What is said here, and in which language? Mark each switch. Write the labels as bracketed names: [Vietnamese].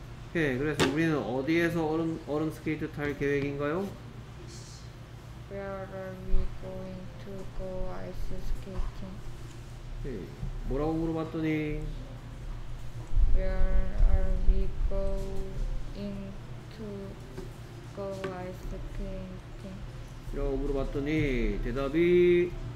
[Korean] 오케이, 그래서 우리는 어디에서 얼음 스케이트 탈 계획인가요? [English] Where are we going to go ice skating? [Korean] 오케이, 뭐라고 물어봤더니 [English] Where are we going to go ice skating? [Korean] 이라고 물어봤더니 대답이